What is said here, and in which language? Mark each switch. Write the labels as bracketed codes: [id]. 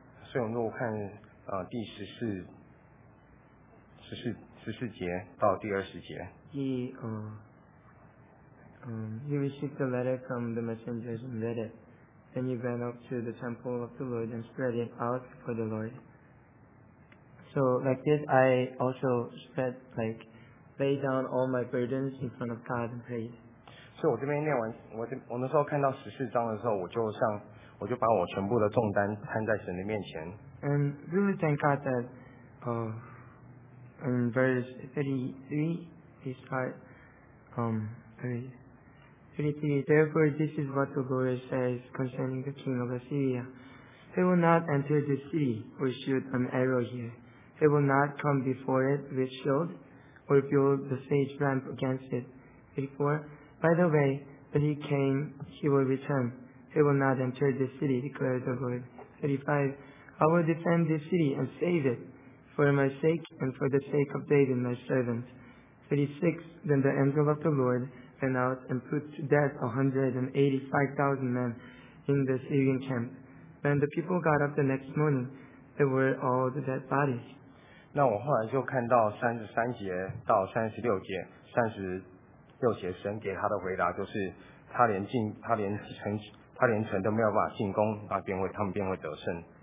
[zh] 所以我们如果看第十四节到第二十节。 [en] He received a letter from the messengers and read it, and he went up to the temple of the Lord and spread it out for the Lord. So like this, I also spread like lay down all my burdens in front of God and prayed. [zh] 所以我这边念完，我那时候看到十四章的时候，我就把我全部的重担摊在神的面前。 [en] And really thank God that, in verse 33, he start, 33. Therefore, this is what the Lord says concerning the king of Assyria: He will not enter the city or shoot an arrow here. They will not come before it with shield or build the sage ramp against it. Before, by the way, when he came, he will return. He will not enter the city, declares the Lord. 35. I will defend this city and save it for my sake and for the sake of David, my servant. 36. Then the angel of the Lord went out and put to death 185,000 men in the Syrian camp. When the people got up the next morning, they were all the dead bodies. [zh] 那我后来就看到33节到36节36节神给他的回答就是他连城都没有办法进攻，那便会他们便会得胜。